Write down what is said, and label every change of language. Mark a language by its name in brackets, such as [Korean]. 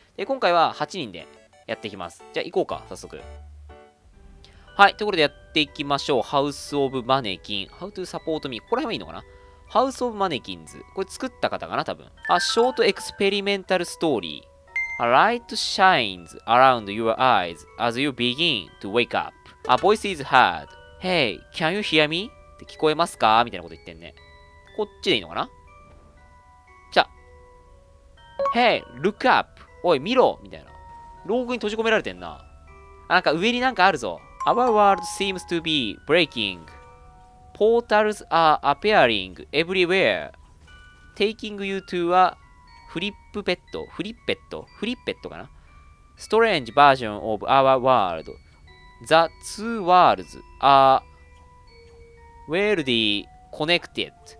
[Japanese] で今回は8人でやっていきます。じゃあ行こうか早速。はい、ところでやっていきましょう。ハウスオブマネキン How to support me、ここら辺はいいのかな。ハウスオブマネキンズ、これ作った方かな多分。あ、ショートエクスペリメンタルストーリー。 [English] Light shines around your eyes as you begin to wake up. A voice is heard. Hey, can you hear me? [Japanese] って聞こえますかみたいなこと言ってんね。こっちでいいのかな。じゃ Hey, look up. おい見ろみたいな。牢獄に閉じ込められてんな。あ、なんか上になんかあるぞ。 [English] Our world seems to be breakingPortals are appearing everywhere, taking you to a flip bed, flip bed, flip bed かな ?strange version of our world. The two worlds are weirdly connected.